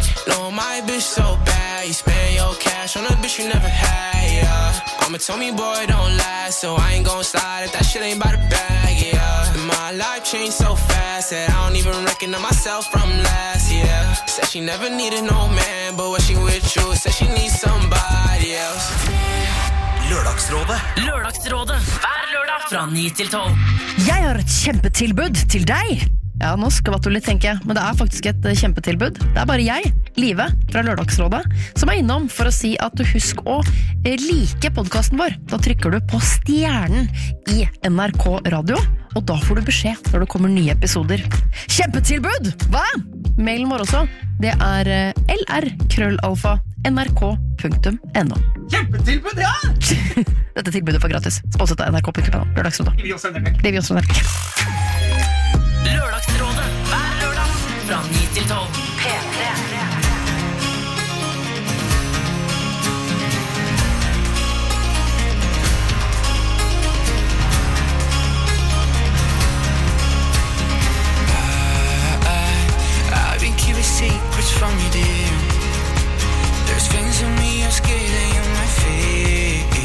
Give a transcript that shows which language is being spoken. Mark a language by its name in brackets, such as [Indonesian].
[English] No, my bitch so bad. You spend your cash on a bitch you never had, yeah. I'm a Tommy boy, don't lie, so I ain't gon' slide if that shit ain't by the bag, yeah. My life changed so fast that I don't even recognize myself from last, yeah. Said she never needed no man, but when she with you, said she needs somebody else. [Norwegian] Lørdagsrådet. Hver lørdag fra 9 til 12. Jeg har et kjempetilbud til deg. Ja, nå skvatt du litt, tenker jeg. Men det faktisk et kjempetilbud. Det bare jeg, Live, fra lørdagsrådet, som innom for å si at du husk å like podcasten vår. Da trykker du på stjernen I NRK Radio, og da får du beskjed når det kommer nye episoder. Kjempetilbud! Hva? Mailen vår også, det lr-nrk.no. Kjempetilbud, ja! Dette tilbudet får gratis. Sponsert av NRK.no, lørdagsrådet. Det vi også sender. Lørdagsrådet, hver lørdag, fra 9 til 12. [English] I've been keeping secrets from you, dear. There's things in me I'm scared of you might fear.